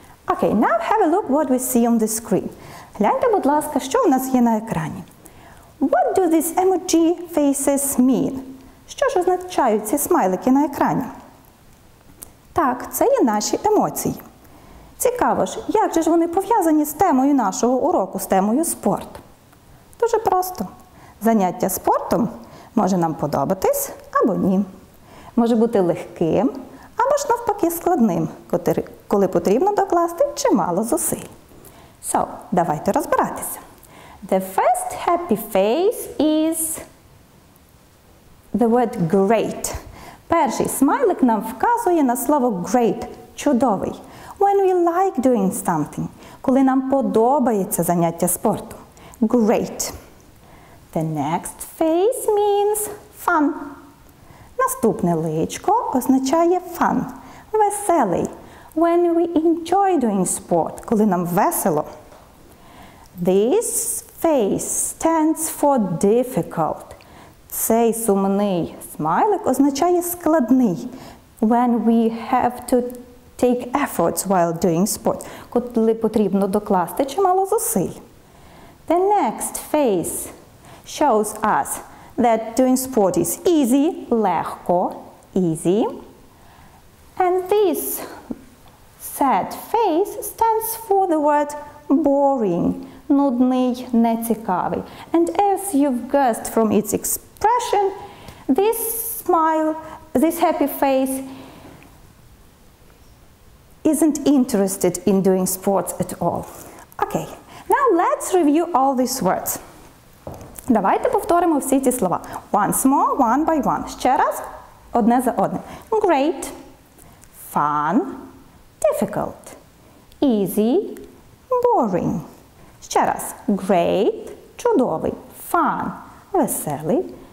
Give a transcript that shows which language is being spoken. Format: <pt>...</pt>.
<en>Okay, now have a look what we see on the screen.</en> <uk>Гляньте, будь ласка, що у нас є на екрані.</uk> <en>What do these emoji faces mean?</en> <uk>Що ж означають ці смайлики на екрані? Так, це є наші емоції. Цікаво ж, як же ж вони пов'язані з темою нашого уроку, з темою спорт? Дуже просто. Заняття спортом може нам подобатись або ні. Може бути легким або ж навпаки складним, коли потрібно докласти чимало зусиль. So, давайте розбиратися.</uk> <en>The first happy face is the word great.</en> <uk>Перший смайлик нам вказує на слово great – чудовий.</uk> <en>When we like doing something –</en> <uk>коли нам подобається заняття спорту.</uk> <en>Great. The next face means fun.</en> <uk>Наступне личко означає fun – веселий.</uk> <en>When we enjoy doing sport –</en> <uk>коли нам весело.</uk> <en>This face stands for difficult.</en> <uk>Цей сумний смайлик означає складний.</uk> <en>When we have to take efforts while doing sport.</en> <uk>Коли потрібно докласти чимало зусиль.</uk> <en>The next face shows us that doing sport is easy, легко, easy. And this sad face stands for the word boring.</en> <uk>Нудний, нецікавий.</uk> <en>And as you've guessed from its expression, this smile, this happy face isn't interested in doing sports at all. Okay, now let's review all these words.</en> <uk>Давайте повторимо всі ці слова.</uk> <en>Once more, one by one.</en> <uk>Ще раз, одне за одним.</uk> <en>Great, fun, difficult, easy, boring.</en> <uk>Ще раз.</uk> <en>Great – чудовий. Fun – веселий.</en>